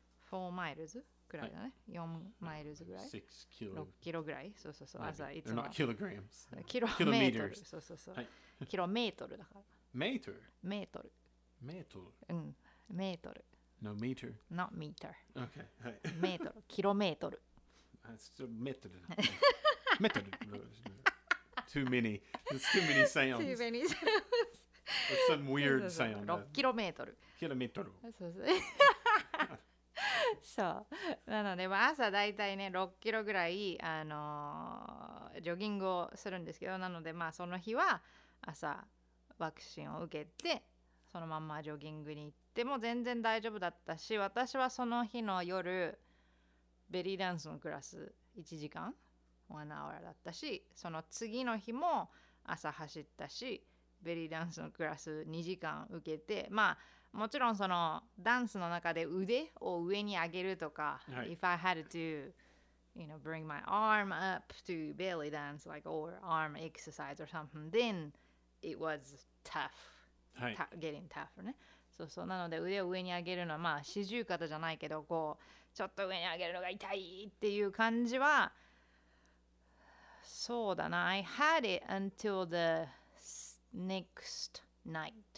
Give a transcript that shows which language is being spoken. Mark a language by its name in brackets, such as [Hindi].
[Japanese] 4マイルズくらいだね、はい、4マイルズぐらい 6キロ 6キロぐらい、そうそうそう、朝いつも kilograms. キロメートル、そうそうそう、はい、キロメートルだからメートルメートルメートル、うん、メートル [English] No meter Not meter [Japanese] OK、はい、メートル、キロメートル [English] That's just [Japanese] メートルメートル [English] Too many That's too many sounds Too many sounds Some weird sound [Japanese] 6キロメートルキロメートルそうそうそうなので、まあ、朝だいたいね6キロぐらい、ジョギングをするんですけど、なので、まあ、その日は朝ワクチンを受けてそのまんまジョギングに行っても全然大丈夫だったし、私はその日の夜ベリーダンスのクラス1時間1アワーだったし、その次の日も朝走ったしベリーダンスのクラス2時間受けて、まあもちろんそのダンスの中で腕を上に上げるとか、はい、 [English] If I had to, you know, bring my arm up to belly dance, like, or arm exercise or something, then it was tough,、 [Japanese] はい、 [English] getting tougher, [Japanese] ね。そうそう、なので腕を上に上げるのは、まあ、四十肩じゃないけど、こう、ちょっと上に上げるのが痛いっていう感じは、そうだな、 [English] I had it until the next night,、